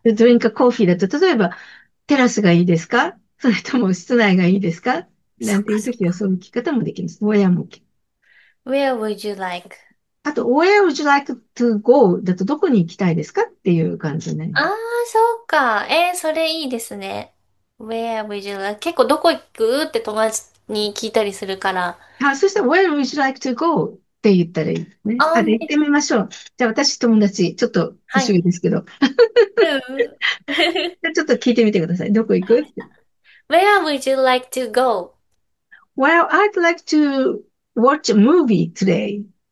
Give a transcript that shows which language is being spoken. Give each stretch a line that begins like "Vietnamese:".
English: drink a coffee
Japanese: だと、例えば、テラスがいいですか? それとも室内がいいですか?なんていうときは、そういう聞き方もできます。 Where も聞く。
English: Where would you like? あと、Where would you like to go?
Japanese: だと、どこに行きたいですか?っていう感じになります。ああ、そっか。それいいですね。
English: Where would you like?
Japanese: 結構どこ行く？って友達に聞いたりするから。
English: あ、そしたら、Where would you like to go?
Japanese: って言ったらいいですね。あ、で、行ってみましょう。じゃあ、私、友達、ちょっと、年上ですけど。じゃあ、ちょっと聞いてみてください。どこ行く?って。
English: Where would you like to go? Well, I'd like to watch a movie today.